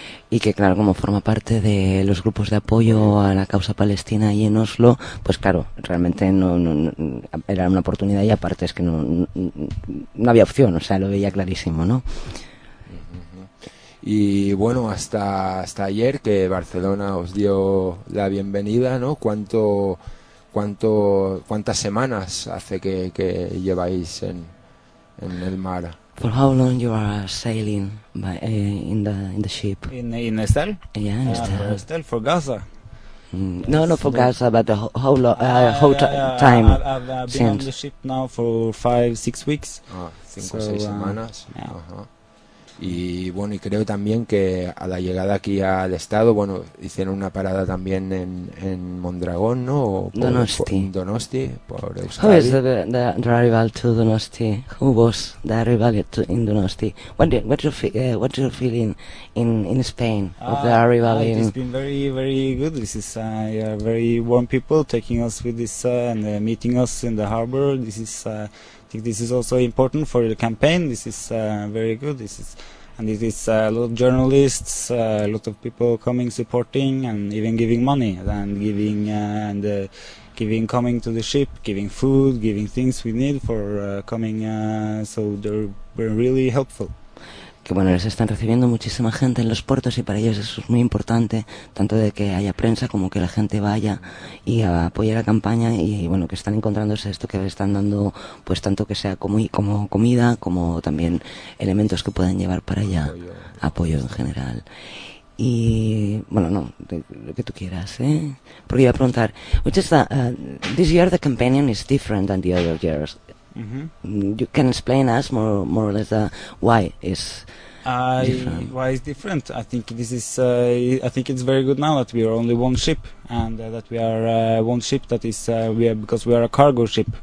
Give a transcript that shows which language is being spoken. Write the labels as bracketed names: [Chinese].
[Spanish] Y que claro, como forma parte de los grupos de apoyo a la causa palestina ahí en Oslo, pues claro, realmente no era una oportunidad, y aparte es que no había opción, o sea, lo veía clarísimo, ¿no? Y bueno, hasta ayer que Barcelona os dio la bienvenida, ¿no? ¿Cuántas semanas hace que lleváis en el mar? [English] For how long you are sailing by, in the ship? In Estelle? Yeah, in Estelle. For Estelle, for Gaza. No, no, for Gaza, but how long? How time? I've been on the ship now for 5-6 weeks. [Spanish] Cinco o seis semanas. Y bueno, y creo también que a la llegada aquí al estado, bueno, hicieron una parada también en Mondragón, ¿no? [English] Donosti, por Euskadi. How is the arrival to Donosti? Who was the arrival in Donosti? What's your feeling in Spain of the arrival in? It's been very, very good. This is very warm people taking us with this and meeting us in the harbor. This is I think this is also important for the campaign. This is very good. This is, and it is a lot of journalists, a lot of people coming, supporting, and even giving money and giving and giving, coming to the ship, giving food, giving things we need for coming. So they're really helpful. [Spanish] Que bueno, les están recibiendo muchísima gente en los puertos y para ellos eso es muy importante, tanto de que haya prensa como que la gente vaya y apoye la campaña y bueno, que están encontrándose esto, que les están dando pues tanto que sea como comida como también elementos que puedan llevar para allá, apoyo en general. Y bueno, no, lo que tú quieras, ¿eh? Porque iba a preguntar, [English] which is the, this year the campaign is different than the other years. You can explain us more or less why is different. Why is different? I think this is I think it's very good now that we are only one ship, and that we are one ship that is because we are a cargo ship.